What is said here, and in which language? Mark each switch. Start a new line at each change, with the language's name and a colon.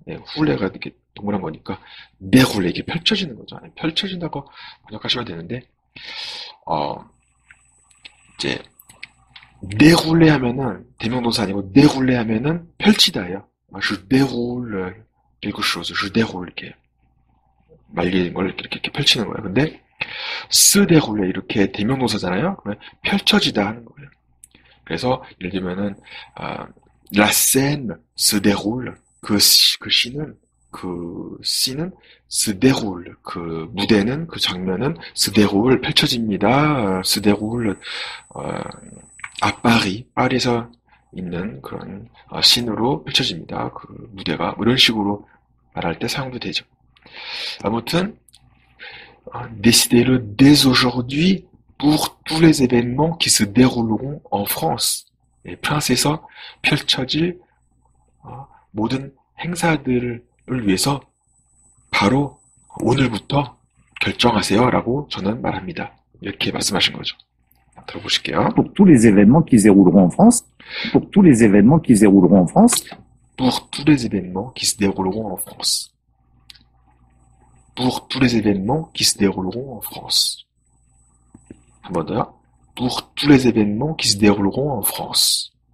Korean: 네, roulé가 이렇게 동그란 거니까 déroulé 이렇게 펼쳐지는 거죠. 네, 펼쳐진다고 번역하셔야 되는데 이제 déroulé 하면은 대명동사 아니고 déroulé 하면은 펼치다예요.
French: je déroule quelque chose,
Korean: je déroule 이렇게 말리는 걸 이렇게 펼치는 거예요. 근데 se déroulé 이렇게 대명동사잖아요. 그러면 펼쳐지다 하는 거예요. 그래서 예를 들면은
French: la scène se déroule
Korean: 그 씬은 se déroule 그 무대는 그 장면은 se déroule 펼쳐집니다 se déroule
French: à Paris
Korean: 파리에서 있는 그런 씬으로 펼쳐집니다 그 무대가 이런 식으로 말할 때 사용도 되죠 아무튼
French: décidez-le dès aujourd'hui pour tous les événements qui se dérouleront en France.
Korean: 네, 프랑스에서 펼쳐질 모든 행사들을 위해서 바로 오늘부터 결정하세요라고 저는 말합니다. 이렇게 말씀하신 거죠. 들어보실게요.
French: Pour tous les événements qui se dérouleront en France, pour tous les événements qui se dérouleront en France. Pour tous les événements qui se dérouleront en France. Pour tous les événements qui se dérouleront en France. Pour tous les événements qui se dérouleront en France.